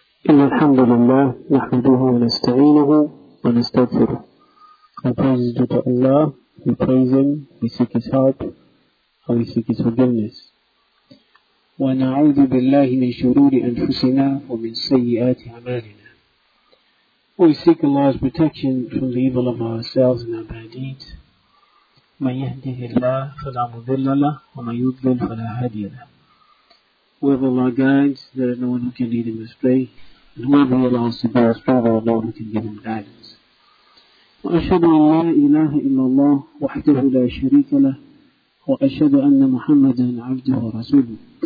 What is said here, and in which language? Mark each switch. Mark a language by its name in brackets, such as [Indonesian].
[Arabic] إن الحمد لله نحمده ونستعينه ونستغفره. [English] And praises due to Allah, we praise Him, we seek His help, and we seek His forgiveness. [Arabic] ونعوذ بالله من شرور أنفسنا ومن سيئات أعمالنا. [English] We seek Allah's protection from the evil of ourselves and our bad deeds. [Arabic] من يهده الله فلا مضل له ومن يضلل فلا هادي له. [English] Whoever Allah guides, there is no one who can lead him astray. And whoever he allows to go astray, there is no one who can give him guidance. [Arabic] وَأَشْهَدُ أَنْ لَا إِلَهَ إِلَّا اللَّهُ وَحْدَهُ لَا شَرِيكَ لَهُ وَأَشْهَدُ أَنَّ مُحَمَّدًا عَبْدُهُ وَرَسُولُهُ.